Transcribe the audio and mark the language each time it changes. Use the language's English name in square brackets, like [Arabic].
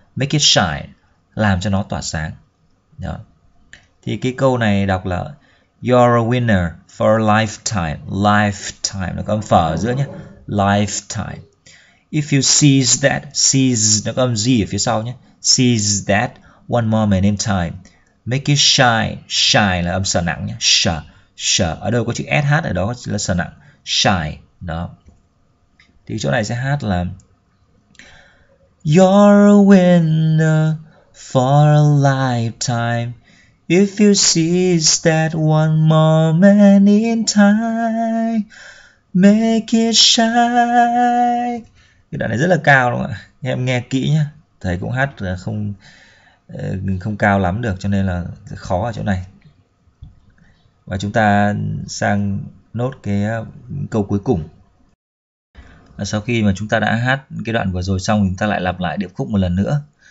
[English] Make it shine, [Vietnamese] làm cho nó tỏa sáng. Đó. Thì cái câu này đọc là [English] you're a winner for a lifetime. [Vietnamese] Lifetime, nó có âm phở ở giữa nhé. Lifetime. [English] If you seize that, [Vietnamese] seize, nó có âm gì ở phía sau nhé. [English] Seize that one moment in time. Make it shine, [Vietnamese] shine là âm sở nặng nhé. Sh, ở đâu có chữ SH ở đó là sở nặng. Shine, đó. Thì chỗ này sẽ hát là [English] you're a winner for a lifetime. If you seize that one moment in time, make it shine. [Vietnamese] Cái đoạn này rất là cao đúng không ạ? Em nghe kỹ nhá. Thầy cũng hát không không cao lắm được cho nên là khó ở chỗ này. Và chúng ta sang nốt cái câu cuối cùng. Sau khi mà chúng ta đã hát cái đoạn vừa rồi xong thì chúng ta lại lặp lại điệp khúc một lần nữa.